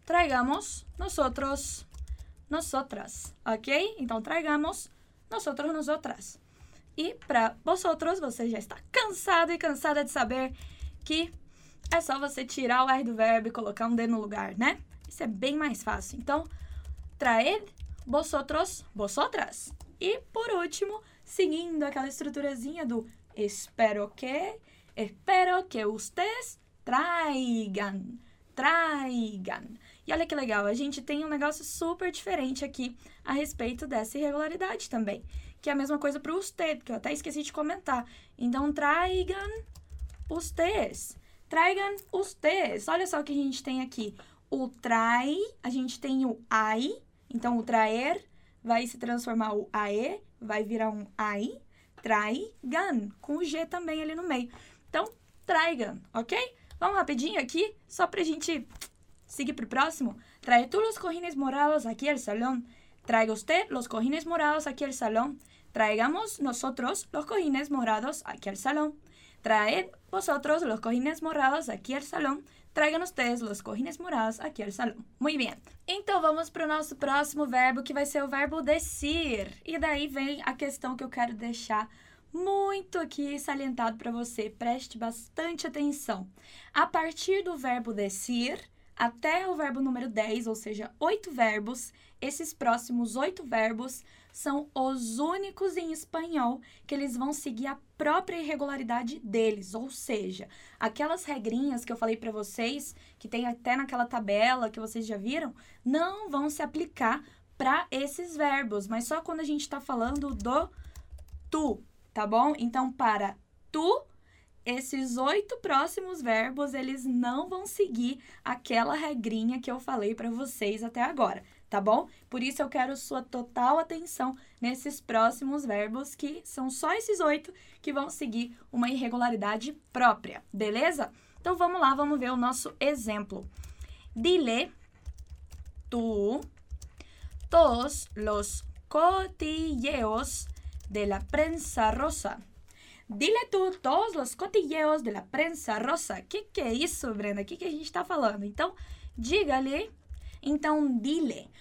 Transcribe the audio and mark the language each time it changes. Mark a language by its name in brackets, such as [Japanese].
[Spanish] Traigamos nosotros, nosotras. Ok? Então traigamos nosotros, nosotras. [Portuguese] E para vosotros, você já está cansado e cansada de saber que é só você tirar o R do verbo e colocar um D no lugar, né? Isso é bem mais fácil. Então, [Spanish] traed vosotros, vosotras. [Portuguese] E por último, seguindo aquela estruturazinha do [Spanish] espero que ustedes traigan. Traigan. [Portuguese] E olha que legal, a gente tem um negócio super diferente aqui a respeito dessa irregularidade também. Que é a mesma coisa para usted, que eu até esqueci de comentar. Então, [Spanish] traigan ustedes. Traigan ustedes. [Portuguese] Olha só o que a gente tem aqui. O trai, a gente tem o ai. Então, o traer vai se transformar o ae, vai virar um ai. Traigan, com o g também ali no meio. Então, traigan, ok? Vamos rapidinho aqui, só para a gente seguir para o próximo. [Spanish] Trae tú los cojines morados aquí al salón. Traiga usted los cojines morados aquí al salón. Traigamos nosotros los cojines morados aquí al salón. Traed vosotros los cojines morados aquí al salón. Traigan ustedes los cojines morados aquí al salón. Muy bien. [Portuguese] Então vamos para o nosso próximo verbo, que vai ser o verbo decir. E daí vem a questão que eu quero deixar muito aqui salientado para você. Preste bastante atenção. A partir do verbo decir até o verbo número 10, ou seja, oito verbos, esses próximos oito verbos são os únicos em espanhol que eles vão seguir a própria irregularidade deles, ou seja, aquelas regrinhas que eu falei para vocês, que tem até naquela tabela que vocês já viram, não vão se aplicar para esses verbos, mas só quando a gente está falando do tu, tá bom? Então, para tu, esses oito próximos verbos, eles não vão seguir aquela regrinha que eu falei para vocês até agora, tá bom? Por isso eu quero sua total atenção nesses próximos verbos, que são só esses oito que vão seguir uma irregularidade própria, beleza? Então vamos lá, vamos ver o nosso exemplo. [Spanish] Dile tú todos los cotilleos de la prensa rosa. Dile tú todos los cotilleos de la prensa rosa. [Portuguese] Que é isso, Brenda? Que a gente está falando? Então, diga-lhe. Então, dile.